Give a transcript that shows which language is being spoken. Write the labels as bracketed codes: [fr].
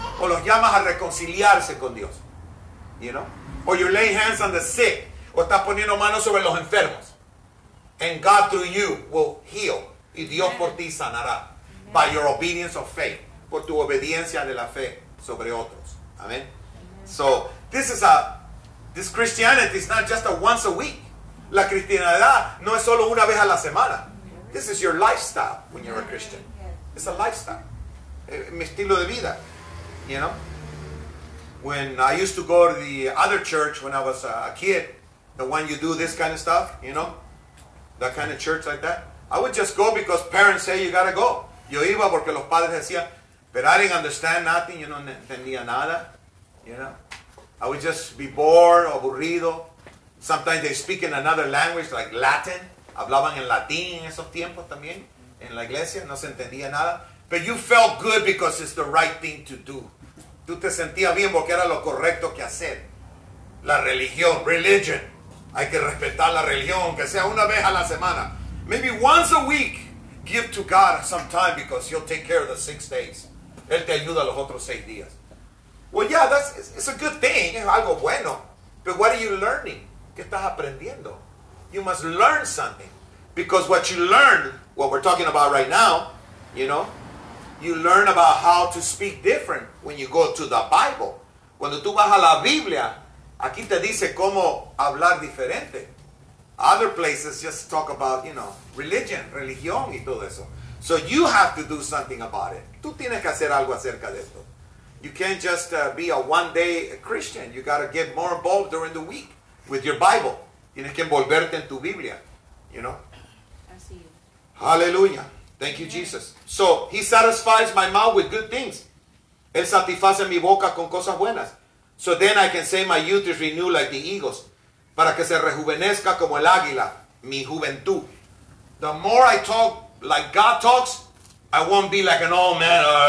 [es] O los llamas a reconciliarse con Dios. You know? [en] Or you lay hands on the sick. [es] O estás poniendo manos sobre los enfermos. [en] And God through you will heal. [es] Y Dios por ti sanará. [en] By your obedience of faith. [es] Por tu obediencia de la fe sobre otros. [en] Amen. So, this Christianity is not just a once a week. [es] La cristianidad no es solo una vez a la semana. [en] This is your lifestyle when you're a Christian. It's a lifestyle. [es] Mi estilo de vida. [en] You know? When I used to go to the other church when I was a kid, the one you do this kind of stuff, you know? That kind of church like that. I would just go because parents say you gotta go. [es] Yo iba porque los padres decían, [en] but I didn't understand nothing, you know, [es] no entendía nada. [en] You know, I would just be bored, aburrido. Sometimes they speak in another language, like Latin. [es] Hablaban en latín en esos tiempos también, en la iglesia. No se entendía nada. [en] But you felt good because it's the right thing to do. [es] Tú te sentías bien porque era lo correcto que hacer. La religión, religion. Hay que respetar la religión, que sea una vez a la semana. [en] Maybe once a week, give to God some time because He'll take care of the 6 days. [es] Él te ayuda los otros 6 días. [en] Well, yeah, it's a good thing. [es] Es algo bueno. [en] But what are you learning? [es] ¿Qué estás aprendiendo? [en] You must learn something. Because what you learn, what we're talking about right now, you know, you learn about how to speak different when you go to the Bible. [es] Cuando tú vas a la Biblia, aquí te dice cómo hablar diferente. [en] Other places just talk about, you know, [es] religión y todo eso. [en] So you have to do something about it. [es] Tú tienes que hacer algo acerca de esto. [en] You can't just be a one-day Christian. You got to get more involved during the week with your Bible. [es] Tienes que envolverte en tu Biblia. You know? [en] Hallelujah. Thank you, Jesus. So, He satisfies my mouth with good things. [es] Él satisface mi boca con cosas buenas. [en] So then I can say my youth is renewed like the eagles. [es] Para que se rejuvenezca como el águila, mi juventud. [en] The more I talk like God talks, I won't be like an old man.